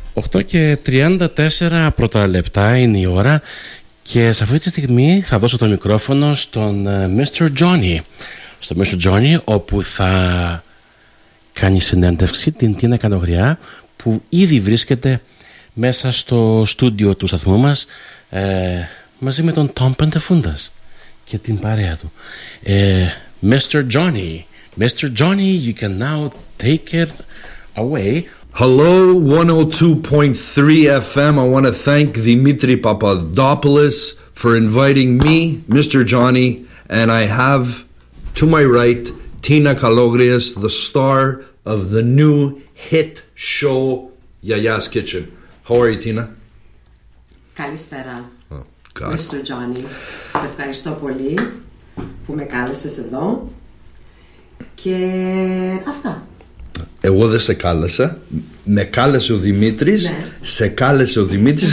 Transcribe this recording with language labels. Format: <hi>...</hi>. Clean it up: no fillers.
<el>8 και 34 πρώτα λεπτά είναι η ώρα και σε αυτή τη στιγμή θα δώσω το μικρόφωνο στον Mr. Johnny. Στο Mr. Johnny, όπου θα κάνει συνέντευξη την Τίνα Κανογριά, που ήδη βρίσκεται μέσα στο στούντιο του σταθμού μας μαζί με τον Tom Πεντεφούντας και την παρέα του.</el> <en>Mr. Johnny, Mr. Johnny, you can now take it away. Hello, 102.3 FM. I want to thank Dimitri Papadopoulos for inviting me, Mr. Johnny, and I have to my right Tina Kalogrias, the star of the new hit show, Yaya's Kitchen. How are you, Tina?</en> <el>Καλησπέρα, Mr. Johnny. Σε ευχαριστώ πολύ που με κάλεσες εδώ και αυτά. Εγώ δεν σε κάλεσα. Με κάλεσε ο Δημήτρης, ναι. Σε κάλεσε ο Δημήτρης</el>